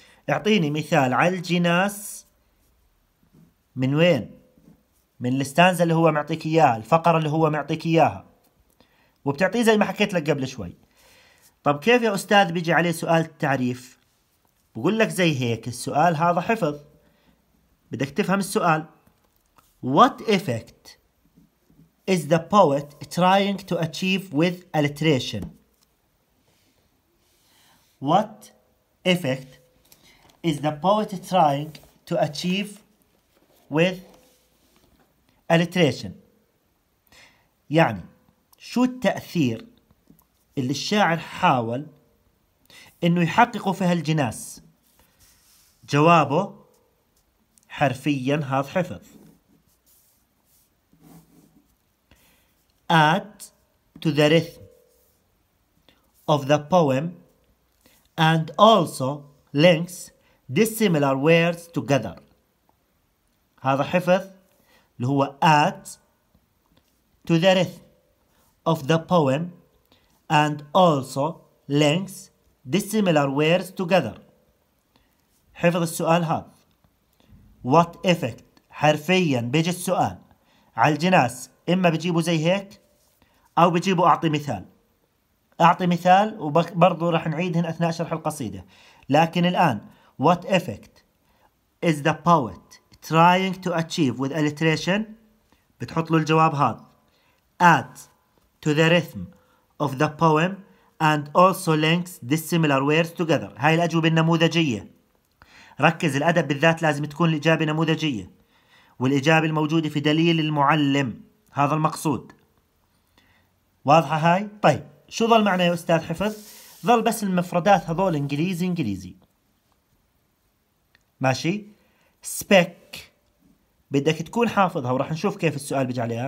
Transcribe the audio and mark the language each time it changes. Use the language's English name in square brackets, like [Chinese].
[Arabic] اعطيني مثال على الجناس من وين؟ من الستانزا اللي هو معطيك اياها، الفقرة اللي هو معطيك اياها، وبتعطيه زي ما حكيت لك قبل شوي. طب كيف يا استاذ بيجي عليه سؤال تعريف؟ بقول لك زي هيك، السؤال هذا حفظ، بدك تفهم السؤال. [English] What effect is the poet trying to achieve with alliteration? What effect is the poet trying to achieve with alliteration? [Arabic] يعني شو التأثير اللي الشاعر حاول انه يحققه في هالجناس؟ جوابه حرفيا هذا حفظ. [English] Add to the rhythm of the poem and also links dissimilar words together. [Arabic] هذا حفظ اللي هو [English] add to the rhythm of the poem and also links dissimilar words together. [Arabic] حفظ السؤال هذا. [English] What effect [Arabic] حرفيا بيجي السؤال على الجناس إما بيجيبوا زي هيك أو بيجيبوا أعطي مثال. أعطي مثال وبرضو راح نعيدهن أثناء شرح القصيدة. لكن الآن [English] What effect is the poet trying to achieve with alliteration؟ [Arabic] بتحط له الجواب هذا. [English] Add to the rhythm of the poem and also links dissimilar words together. [Arabic] هاي الأجوبة النموذجية. ركز، الأدب بالذات لازم تكون الإجابة نموذجية والإجابة الموجودة في دليل المعلم، هذا المقصود. واضحة هاي؟ طيب شو ظل معنا يا أستاذ حفظ؟ ظل بس المفردات هذول إنجليزي إنجليزي، ماشي؟ speck بدك تكون حافظها، ورح نشوف كيف السؤال بيجي عليها.